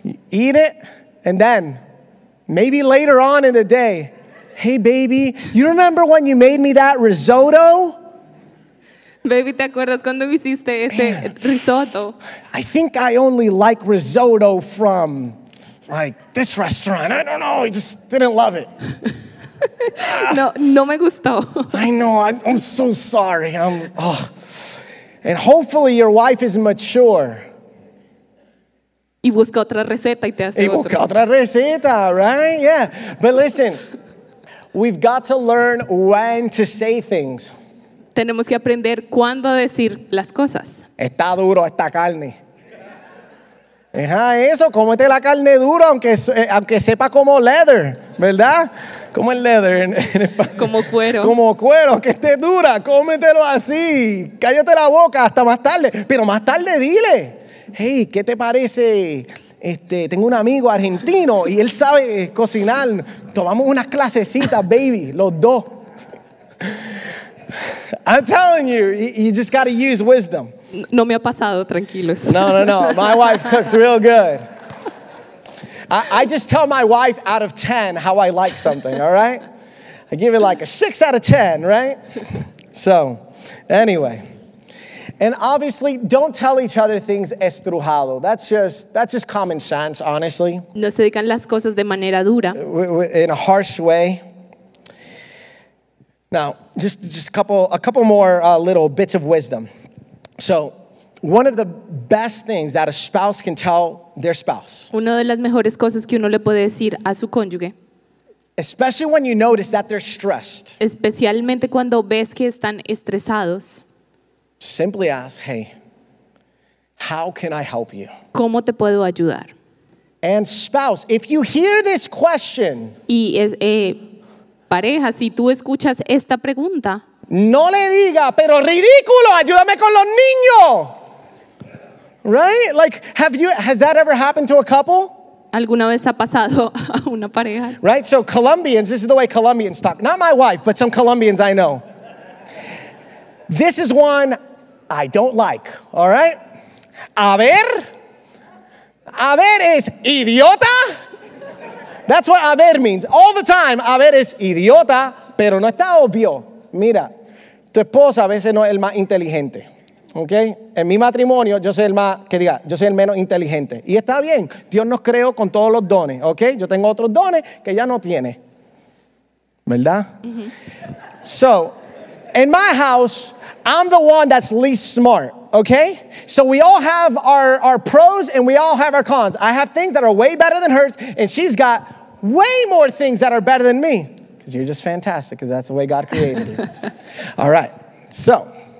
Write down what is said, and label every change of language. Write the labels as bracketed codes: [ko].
[en] Eat it and then maybe later on in the day. Hey, baby, you remember when you made me that risotto? [es] Baby, ¿te acuerdas cuando me hiciste ese risotto? [en] I think I only like risotto from, like, this restaurant. I don't know. I just didn't love it. [es] No, no me gustó. [en] I know. I'm so sorry. And hopefully your wife is mature. [es] Y busca otra receta y te hace y busca otra receta, [en] right? Yeah. But listen... We've got to learn when to say things. [es] Tenemos que aprender cuándo decir las cosas. Está duro esta carne. Ajá, eso, cómete la carne duro, aunque sepa como leather, ¿verdad? Como el leather. Como cuero. Como cuero, que esté dura, cómetelo así. Cállate la boca hasta más tarde. Pero más tarde dile, hey, ¿qué te parece? Tengo un amigo argentino y él sabe cocinar. Tomamos unas clasecitas, baby, los dos. [en] I'm telling you, you just got to use wisdom. [es] No me ha pasado, tranquilos. [en] No, no, no. My wife cooks real good. I just tell my wife out of 10 how I like something, all right? I give it like a 6 out of 10, right? So, anyway... And obviously, don't tell each other things estrujado. That's just common sense, honestly. [es] No se digan las cosas de manera dura. [en] In a harsh way. Now, just a couple more little bits of wisdom. So, one of the best things that a spouse can tell their spouse. [es] Una de las mejores cosas que uno le puede decir a su cónyuge. [en] Especially when you notice that they're stressed. [es] Especialmente cuando ves que están estresados. [en] Simply ask, hey, how can I help you? [es] ¿Cómo te puedo ayudar? [en] And spouse, if you hear this question, [es] y pareja, si tú escuchas esta pregunta, no le diga, pero ridículo, ayúdame con los niños. [en] Right? Like, has that ever happened to a couple? [es] ¿Alguna vez ha pasado a una pareja? [en] Right? So Colombians, this is the way Colombians talk. Not my wife, but some Colombians I know. This is one I don't like, all right? [es] A ver es idiota. [en] That's what a ver means. All the time, [es] a ver es idiota, pero no está obvio. Mira, tu esposa a veces no es el más inteligente, okay? En mi matrimonio, yo soy el menos inteligente. Y está bien, Dios nos creó con todos los dones, okay? Yo tengo otros dones que ella no tiene, ¿verdad? [en] So, in my house, I'm the one that's least smart, okay? So we all have our pros and we all have our cons. I have things that are way better than hers, and she's got way more things that are better than me. Because you're just fantastic, because that's the way God created you. All right, so.